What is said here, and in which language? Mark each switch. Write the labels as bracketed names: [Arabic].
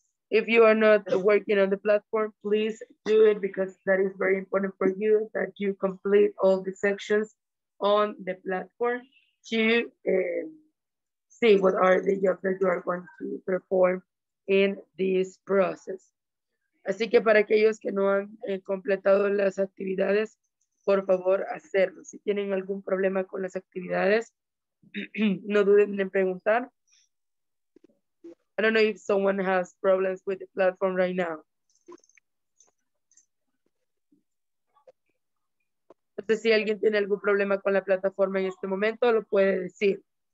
[English] If you are not working on the platform, please do it, because that is very important for you, that you complete all the sections on the platform to see what are the jobs that you are going to perform in this process. [Spanish] Así que para aquellos que no han completado las actividades, por favor, hacerlo. Si tienen algún problema con las actividades, no duden en preguntar. [English] I don't know if someone has problems with the platform right now. [Spanish] No sé si alguien tiene algún problema con la plataforma en este momento, lo puede decir.